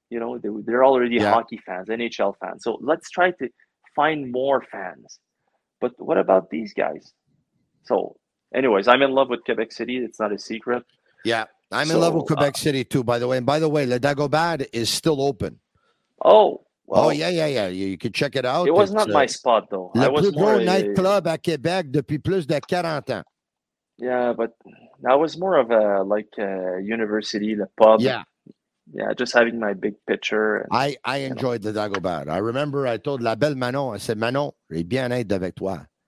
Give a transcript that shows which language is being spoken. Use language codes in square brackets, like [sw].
[en] You know, they're already hockey fans, NHL fans. So let's try to find more fans. But what about these guys? So anyways, I'm in love with Quebec City. It's not a secret. Yeah. I'm in love with Quebec City, too, by the way. And by the way, Le Dagobert is still open. Oh. Well, oh, yeah, yeah, yeah. You could check it out. It was not my spot, though. [fr] Le [en] I was [fr] plus gros nightclub à Québec depuis plus de 40 ans. [en] Yeah, but that was more of a, like, a university, the pub. Yeah. Yeah, just having my big picture. And, I enjoyed Le Dagobert. I remember I told La Belle Manon, I said, Manon, [fr] j'ai bien être avec toi.